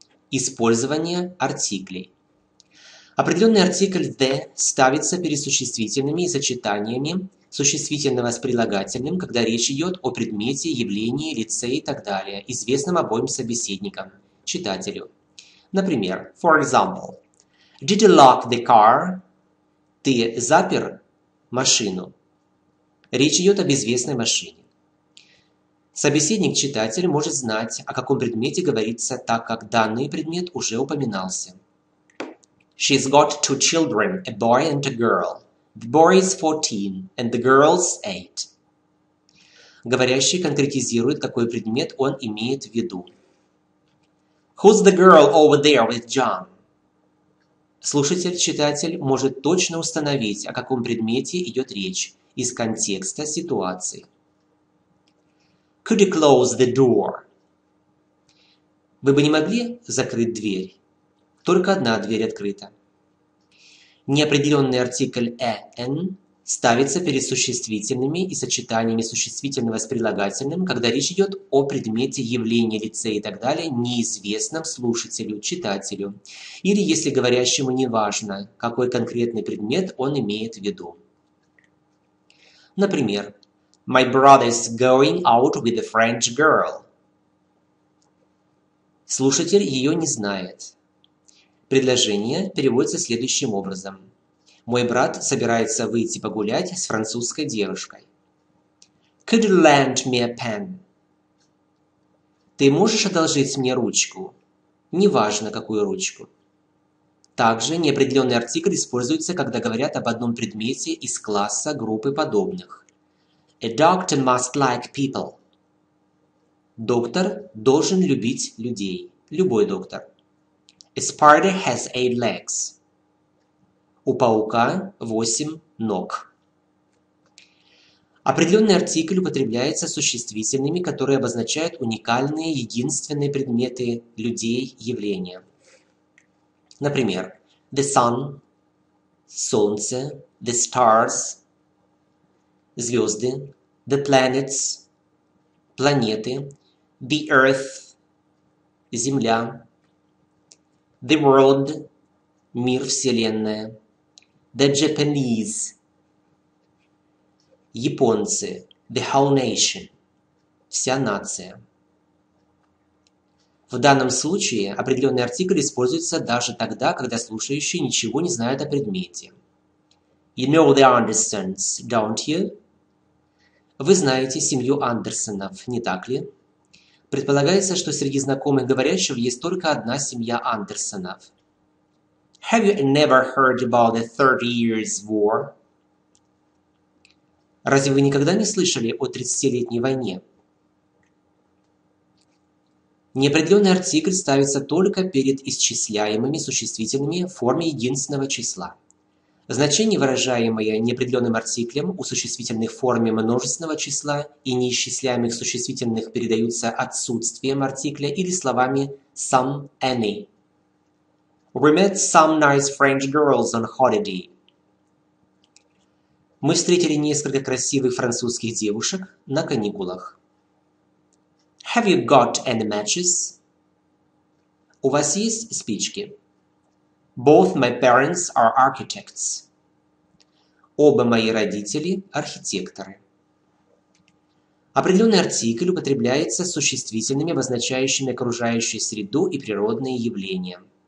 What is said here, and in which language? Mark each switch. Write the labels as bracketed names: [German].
[Russian] Использование артиклей. Определенный артикль the ставится перед существительными и сочетаниями существительного с прилагательным, когда речь идет о предмете, явлении, лице и так далее, известном обоим собеседникам, читателю. Например, [English] for example, did you lock the car? [Russian] Ты запер машину? Речь идет об известной машине. Собеседник-читатель может знать, о каком предмете говорится, так как данный предмет уже упоминался. [English] She's got two children, a boy and a girl. The boy is 14 and the girl's 8. [Russian] Говорящий конкретизирует, какой предмет он имеет в виду. [English] Who's the girl over there with John? [Russian] Слушатель-читатель может точно установить, о каком предмете идет речь из контекста ситуации. [English] Could you close the door? [Russian] Вы бы не могли закрыть дверь? Только одна дверь открыта. Неопределенный артикль «эн» ставится перед существительными и сочетаниями существительного с прилагательным, когда речь идет о предмете, явлении, лице и так далее, неизвестном слушателю, читателю, или если говорящему не важно, какой конкретный предмет он имеет в виду. Например, [English] My brother is going out with a French girl. [Russian] Слушатель ее не знает. Предложение переводится следующим образом. Мой брат собирается выйти погулять с французской девушкой. [English] Could you lend me a pen? [Russian] Ты можешь одолжить мне ручку? Неважно, какую ручку. Также неопределенный артикль используется, когда говорят об одном предмете из класса группы подобных. [English] A doctor must like people. [Russian] Доктор должен любить людей. Любой доктор. [English] A spider has 8 legs. [Russian] У паука 8 ног. Определенный артикль употребляется существительными, которые обозначают уникальные, единственные предметы людей, явления. Например, [English] the sun, [Russian] солнце, [English] the stars, [Russian] звезды, [English] the planets, [Russian] планеты, [English] the earth, [Russian] земля, [English] the world, [Russian] мир, вселенная. [English] The Japanese, [Russian] японцы, [English] the whole nation, [Russian] вся нация. В данном случае определенный артикль используется даже тогда, когда слушающий ничего не знает о предмете. [English] You know the Andersons, don't you? [Russian] Вы знаете семью Андерсонов, не так ли? Предполагается, что среди знакомых говорящих есть только одна семья Андерсонов. [English] Have you never heard about the 30 Years' War? [Russian] Разве вы никогда не слышали о 30-летней войне? Неопределенный артикль ставится только перед исчисляемыми существительными в форме единственного числа. Значение, выражаемое неопределенным артиклем у существительных в форме множественного числа и неисчисляемых существительных, передаются отсутствием артикля или словами some, any. [English] We met some nice French girls on holiday. [Russian] Мы встретили несколько красивых французских девушек на каникулах. [English] Have you got any matches? [Russian] У вас есть спички? [English] Both my parents are architects. [Russian] Оба мои родители – архитекторы. Определенный артикль употребляется с существительными, обозначающими окружающую среду и природные явления.